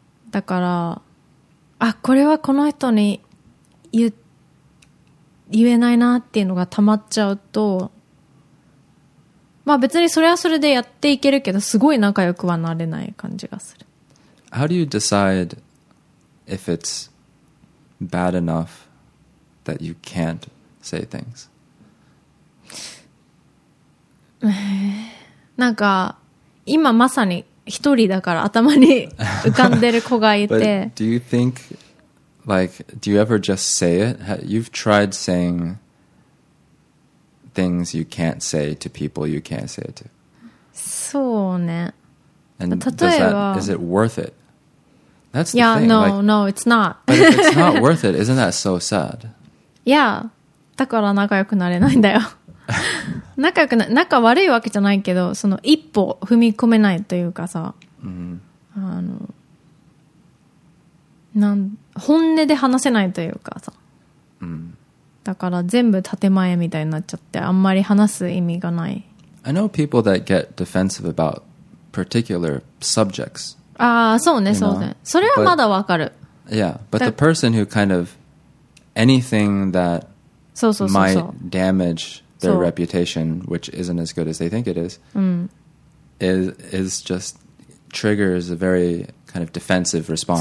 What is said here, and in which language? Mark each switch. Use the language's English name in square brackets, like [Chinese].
[Japanese] だから、あ、これはこの人に言えないなっていうのが溜まっちゃうと、まあ別にそれはそれでやっていけるけど、すごい仲良くはなれない感じがする。 [English] How do you decide if it's bad enough that you can't say things? [Japanese] なんか今まさに一人だから頭に浮かんでる子がいて。 [English] But do you think, like, do you ever just say it? You've tried saying things you can't say to people you can't say it to. [Japanese] そうね。 [English] And [Japanese] 例えば、 [English] is it worth it? That's the yeah, thing. No, like, no, it's not. But if it's not worth it, isn't that so sad? Yeah, [Japanese] だから仲良くなれないんだよ。仲良くな、仲悪いわけじゃないけど、その一歩踏み込めないというかさ、 [English] mm-hmm. [Japanese] あの、なん、本音で話せないというかさ、 [English] mm-hmm. [Japanese] だから全部建前みたいになっちゃって、あんまり話す意味がない。 [English] I know people that get defensive about particular subjects. [Japanese] ああ、そうね、そうね。それはまだわかる。 [English] Yeah, but the person who kind of anything that might damage their reputation, which isn't as good as they think it is, is just triggers a very kind of defensive response.